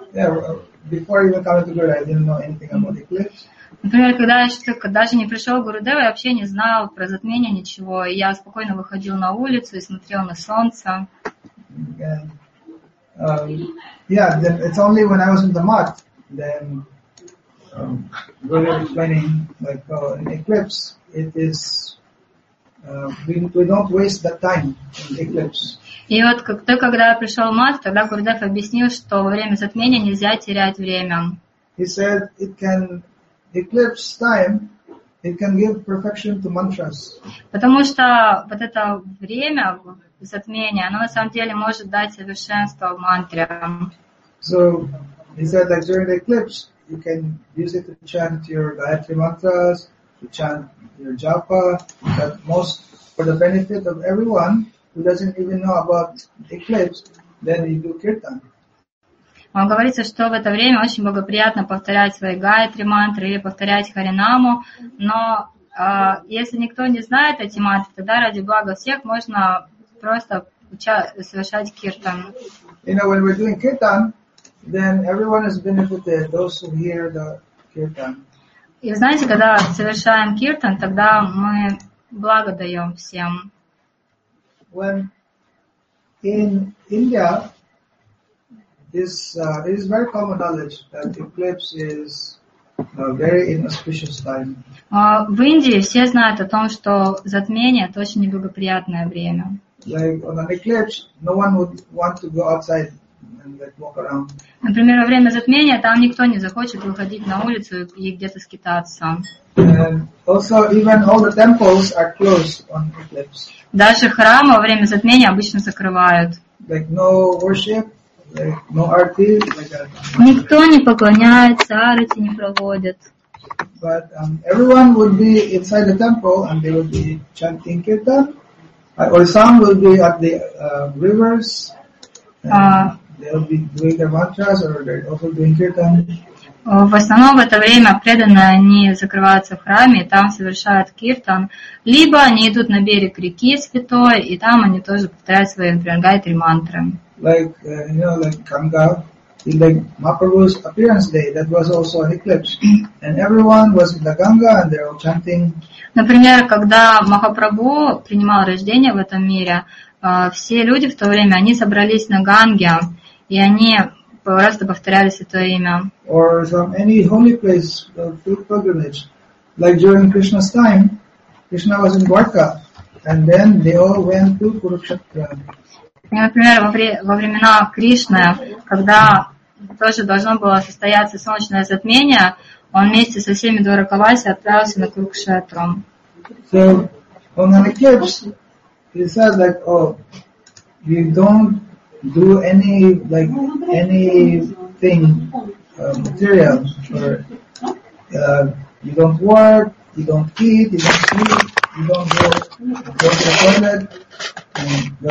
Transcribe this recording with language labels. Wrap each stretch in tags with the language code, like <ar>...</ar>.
<en>Yeah, before even coming to Gurudev, I didn't know anything about eclipse.</en> <ru>Например, когда я даже не пришел в Гурудева, я вообще не знал про затмение ничего. И я спокойно выходил на улицу и смотрел на солнце.</ru> <en>Yeah, it's only when I was in the mud, then Gurudev explaining like an eclipse, it is we don't waste that time in eclipse.</en> <ru>И вот когда я пришел в мат, тогда Гурудев объяснил, что во время затмения нельзя терять время.</ru> <en>He said it can eclipse time, it can give perfection to mantras.</en> <ru>Потому что вот это время затмения, оно на самом деле может дать совершенство мантрам.</ru> <en>So he said that during the eclipse, you can use it to chant your Gayatri mantras, to chant your japa, but most for the benefit of everyone who doesn't even know about eclipse, then you do kirtan.</en> <ru>Вам говорится, что в это время очень благоприятно повторять свои гайатри мантры или повторять харинаму, но если никто не знает эти мантры, тогда ради блага всех можно просто совершать киртан.</ru> <en>You know, when we're doing kirtan, then everyone is benefited, those who hear the kirtan.</en> <ru>И знаете, когда совершаем киртан, тогда мы благо даем всем.</ru> <en>When in India, this is very common knowledge that eclipse is a very inauspicious time.</en> <ru>В Индии все знают о том, что затмение это очень неблагоприятное время.</ru> <en>Like on an eclipse, no one would want to go outside and like walk around.</en> <ru>Например, во время затмения там никто не захочет выходить на улицу и где-то скитаться.</ru> <en>And also, even all the temples are closed on eclipse.</en> <ru>Даже храмы во время затмения обычно закрывают.</ru> <en>Like no worship. Like, no arti, like</en> <ru>никто не поклоняется, арати не проводят.</ru> <en>But everyone would be inside the temple and they would be chanting kirtan. Or some would be at the rivers. They would be doing their mantras or they're also doing kirtan.</en> <ru>В основном в это время преданные они закрываются в храме и там совершают киртан. Либо они идут на берег реки святой и там они тоже повторяют свои, например, гайтри мантры.</ru> <en>Like you know, like Ganga, like Mahaprabhu's appearance day, that was also an eclipse, and everyone was in the Ganga and they're all chanting.</en> <ru>Например, когда Махапрабху принимал рождение в этом мире, все люди в то время они собрались на Ганге и они просто повторяли святое имя.</ru> <en>Or some any holy place, big pilgrimage, like during Krishna's time, Krishna was in Dwarka, and then they all went to Kurukshetra.</en> <ru>Например, во времена Кришны, когда тоже должно было состояться солнечное затмение, он вместе со всеми Дваракаваси отправился на Курукшетру.</ru> <en>So, on an eclipse, he says like, oh, you don't do any, like, anything material, or you don't work, you don't eat, you don't sleep, you don't go to the toilet.</en>